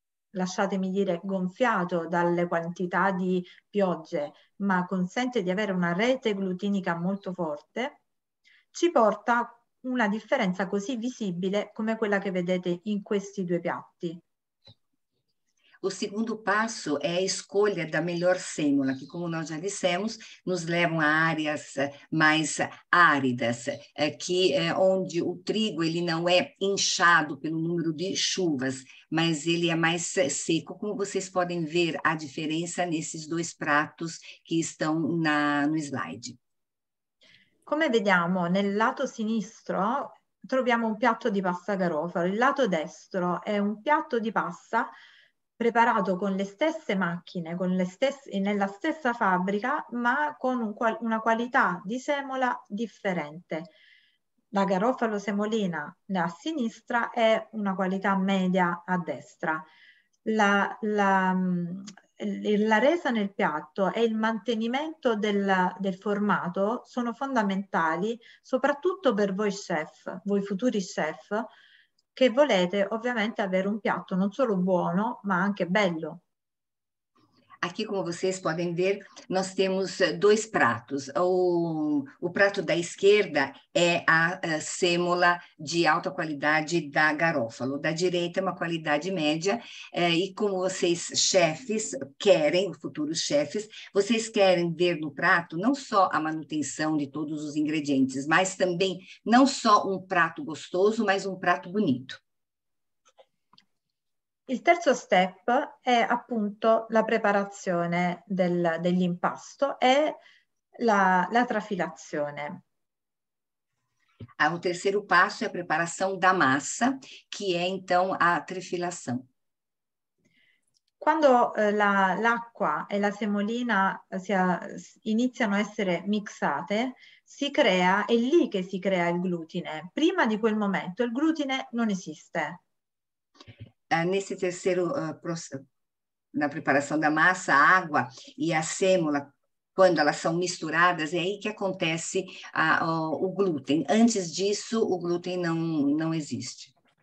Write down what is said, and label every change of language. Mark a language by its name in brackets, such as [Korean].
[Italian] lasciatemi dire, gonfiato dalle quantità di piogge, ma consente di avere una rete glutinica molto forte, ci porta una differenza così visibile come quella che vedete in questi due piatti. [Portuguese] O segundo passo é a escolha da melhor sêmola, que, como nós já dissemos, nos levam a áreas mais áridas, onde o trigo ele não é inchado pelo número de chuvas, mas ele é mais seco, como vocês podem ver a diferença nesses dois pratos que estão no slide. [Italian] Come vediamo, nel lato sinistro troviamo un piatto di pasta garofalo, il lato destro è un piatto di pasta preparato con le stesse macchine, nella stessa fabbrica, ma con una qualità di semola differente. La garofalo semolina a sinistra è una qualità media a destra. La resa nel piatto e il mantenimento del formato sono fondamentali, soprattutto per voi chef, voi futuri chef, che volete ovviamente avere un piatto non solo buono, ma anche bello. [Portuguese] Aqui, como vocês podem ver, nós temos dois pratos. O prato da esquerda é a sêmola de alta qualidade da Garófalo. Da direita é uma qualidade média. E como vocês, chefes, querem, futuros chefes, vocês querem ver no prato não só a manutenção de todos os ingredientes, mas também não só um prato gostoso, mas um prato bonito. [Italian] Il terzo step è appunto la preparazione dell'impasto e la trafilazione. Il terzo passo è la preparazione della massa, che è então la trafilazione. Quando l'acqua e la semolina iniziano a essere mixate, è lì che si crea il glutine. Prima di quel momento il glutine non esiste. [Portuguese] Nesse terceiro, na preparação da massa, a água e a sêmola, quando elas são misturadas, é aí que acontece o glúten. Antes disso, o glúten não existe.